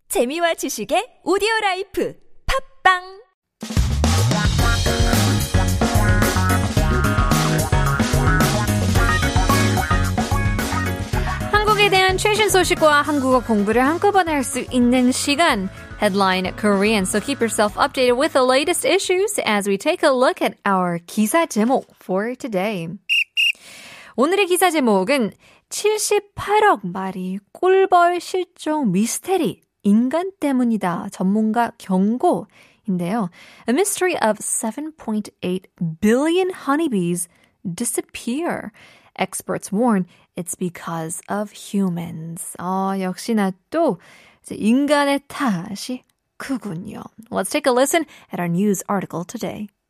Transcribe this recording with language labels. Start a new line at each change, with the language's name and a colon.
Korean: 재미와 지식의 오디오 라이프. 팟빵! 한국에 대한 최신 소식과 한국어 공부를 한꺼번에 할 수 있는 시간.
English: Headline Korean. So keep yourself updated with the latest issues as we take a look at our
Korean: 기사 제목
English: for today.
Korean: 오늘의 기사 제목은 78억 마리 꿀벌 실종 미스테리 인간 때문이다. 전문가 경고인데요.
English: A mystery of 7.8 billion honeybees disappear. Experts warn it's because of humans.
Korean: 역시나 또 인간의 탓이 크군요.
English: Let's take a listen at our news article today.